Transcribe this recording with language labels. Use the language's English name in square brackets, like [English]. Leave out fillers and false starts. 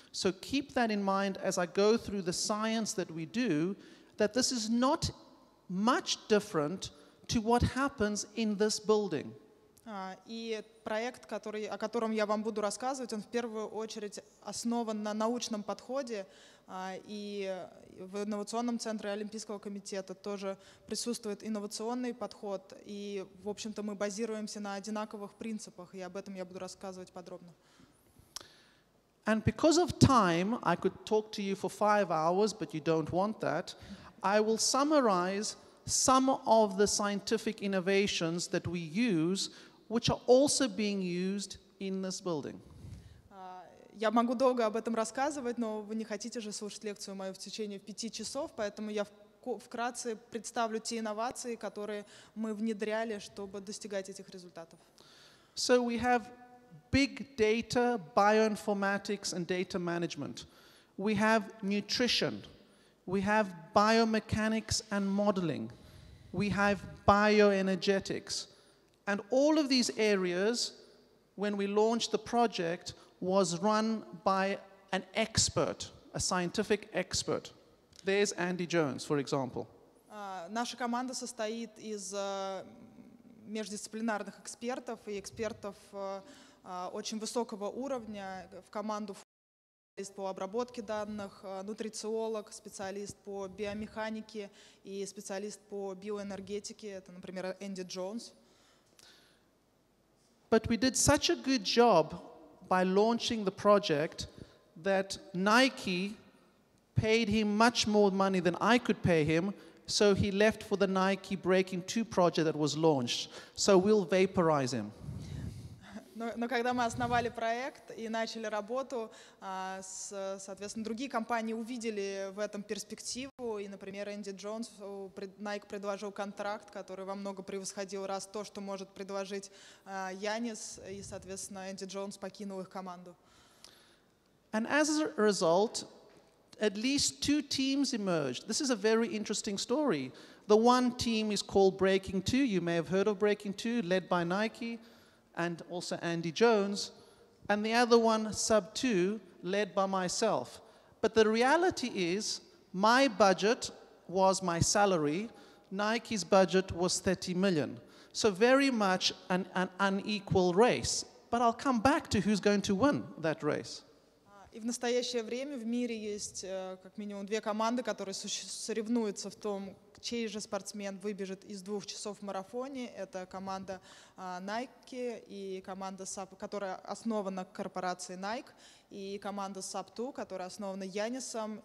[English] So keep that in mind as I go through the science that we do, that this is not much different to what happens in this building. [Russian] И проект, который, о котором я вам буду рассказывать, он в первую очередь основан на научном подходе, и в инновационном центре Олимпийского комитета тоже присутствует инновационный подход, и, в общем-то, мы базируемся на одинаковых принципах, и об этом я буду рассказывать подробно. [English] And because of time, I could talk to you for 5 hours, but you don't want that, I will summarize some of the scientific innovations that we use, which are also being used in this building. [Russian] Я могу долго об этом рассказывать, но вы не хотите же слушать лекцию мою в течение 5 часов, поэтому я вкратце представлю те инновации, которые мы внедряли, чтобы достигать этих результатов. [English] So we have big data, bioinformatics and data management. We have nutrition. We have biomechanics and modeling. We have bioenergetics. And all of these areas, when we launched the project, was run by an expert, a scientific expert. There's Andy Jones, for example. [Russian] Наша команда состоит из междисциплинарных экспертов и экспертов очень высокого уровня. В команду специалист по обработке данных, нутрициолог, специалист по биомеханике и специалист по биоэнергетике. Это, например, Andy Jones. [English] But we did such a good job by launching the project that Nike paid him much more money than I could pay him, so he left for the Nike Breaking 2 project that was launched. So we'll vaporize him. [Russian] Но когда мы основали проект и начали работу, соответственно, другие компании увидели в этом перспективу, и, например, Andy Jones, Nike предложил контракт, который во много превосходил раз то, что может предложить Янис, и, соответственно, Andy Jones покинул их команду. [English] And as a result, at least 2 teams emerged. This is a very interesting story. The one team is called Breaking 2. You may have heard of Breaking 2, led by Nike and also Andy Jones, and the other one, Sub 2, led by myself. But the reality is, my budget was my salary, Nike's budget was 30 million. So very much an unequal race. But I'll come back to who's going to win that race. [Russian] И в настоящее время в мире есть как минимум 2 команды, которые соревнуются в том, чей же спортсмен выбежит из 2 часов в марафоне. Это команда Nike и команда SAP, которая основана корпорацией Nike, и команда SAP2, которая основана Янисом.